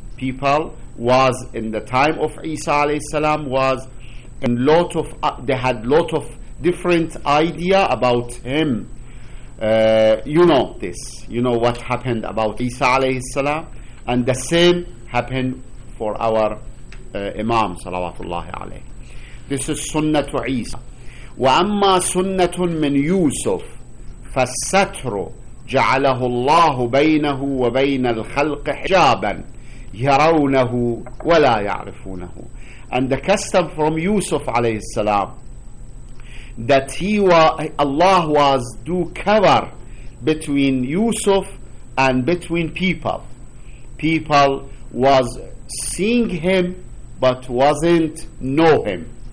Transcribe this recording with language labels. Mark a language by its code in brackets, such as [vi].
[en] People was in the time of Isa alayhi salam was in lot of they had lot of different idea about him. You know this. You know what happened about Isa alayhi salam, and the same happened for our Imam salawatullahi alayhi. This is sunnah to Isa. [ar] وأما سنة من يوسف فالستر جعله الله بينه وبين الخلق حجابا يرونه ولا يعرفونه. [en] And the custom from Yusuf [ar] عليه السلام [en] that Allah was do cover between Yusuf and between people. People was seeing him but wasn't know him.